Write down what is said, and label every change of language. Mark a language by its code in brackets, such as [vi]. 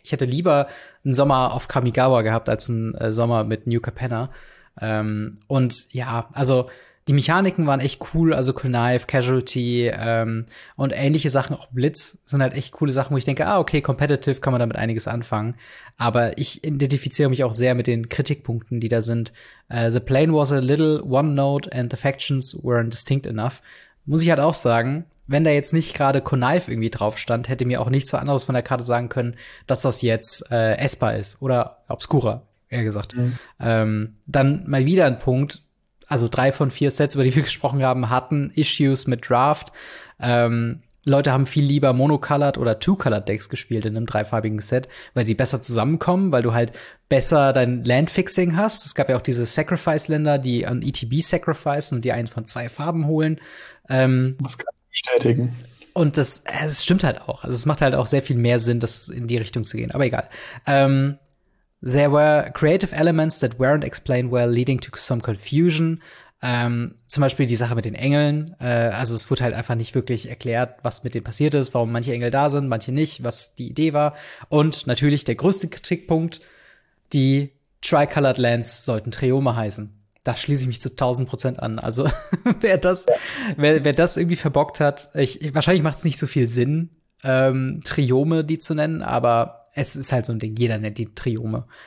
[de] Ich hätte lieber einen Sommer auf Kamigawa gehabt als einen Sommer mit Nukupenna. Und ja, also die Mechaniken waren echt cool, also Knife, Casualty und ähnliche Sachen, auch Blitz, sind halt echt coole Sachen, wo ich denke, ah, okay, Competitive kann man damit einiges anfangen. Aber ich identifiziere mich auch sehr mit den Kritikpunkten, die da sind. [en] The plane was a little one-note and the factions weren't distinct enough. [de] Muss ich halt auch sagen, wenn da jetzt nicht gerade Knife irgendwie drauf stand, hätte mir auch nichts anderes von der Karte sagen können, dass das jetzt Esper ist oder Obscura, eher gesagt. Mhm. Dann mal wieder ein Punkt. Also 3 von 4 Sets, über die wir gesprochen haben, hatten Issues mit Draft. Leute haben viel lieber Monocolored oder Two-Colored-Decks gespielt in einem 3-farbigen Set, weil sie besser zusammenkommen, weil du halt besser dein Land-Fixing hast. Es gab ja auch diese Sacrifice-Länder, die an ETB sacrificen und die einen von 2 Farben holen. Das kann ich bestätigen. Und das stimmt halt auch. Also es macht halt auch sehr viel mehr Sinn, das in die Richtung zu gehen. Aber egal. [en] There were creative elements that weren't explained well, leading to some confusion. [de] Zum Beispiel die Sache mit den Engeln. Also es wurde halt einfach nicht wirklich erklärt, was mit denen passiert ist, warum manche Engel da sind, manche nicht, was die Idee war. Und natürlich der größte Kritikpunkt, die Tricolored Lands sollten Triome heißen. Da schließe ich mich zu 1000% an. Also wer das irgendwie verbockt hat, wahrscheinlich macht es nicht so viel Sinn, Triome die zu nennen, aber es ist halt so ein Ding, jeder nennt die Triome.